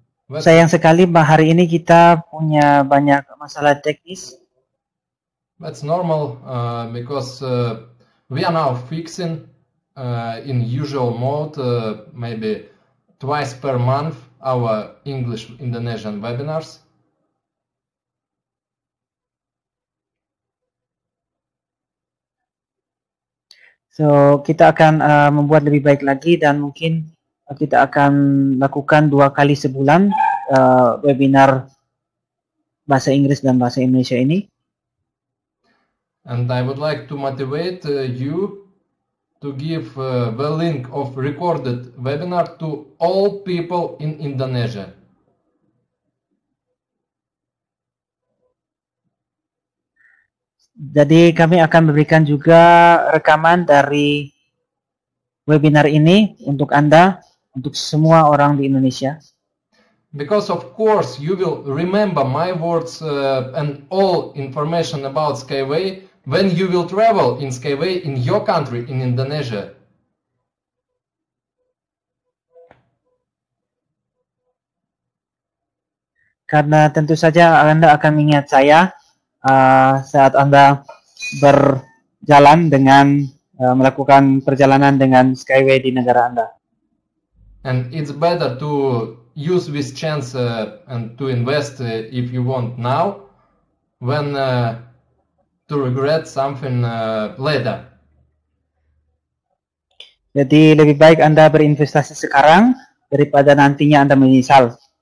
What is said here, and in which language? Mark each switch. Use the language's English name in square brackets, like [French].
[Indonesian] Sayang sekali, bah, hari ini kita punya banyak masalah teknis. [English] That's normal, because we are now fixing in usual mode, maybe twice per month, our English Indonesian webinars. [Indonesian] So, kita akan membuat lebih baik lagi dan mungkin kita akan lakukan dua kali sebulan webinar bahasa Inggris dan bahasa Indonesia ini. [English] And I would like to motivate you to give the link of recorded webinar to all people in Indonesia. [Indonesian] Jadi kami akan memberikan juga rekaman dari webinar ini untuk Anda, untuk semua orang di Indonesia. [English] Because of course you will remember my words and all information about Skyway when you will travel in Skyway in your country, in Indonesia. [Indonesian] Karena tentu saja Anda akan mengingat saya saat Anda berjalan dengan melakukan perjalanan dengan Skyway di negara Anda. [English] And it's better to use this chance and to invest if you want now when to regret something later. [Indonesian] Jadi lebih baik Anda berinvestasi sekarang daripada nantinya Anda menyesal.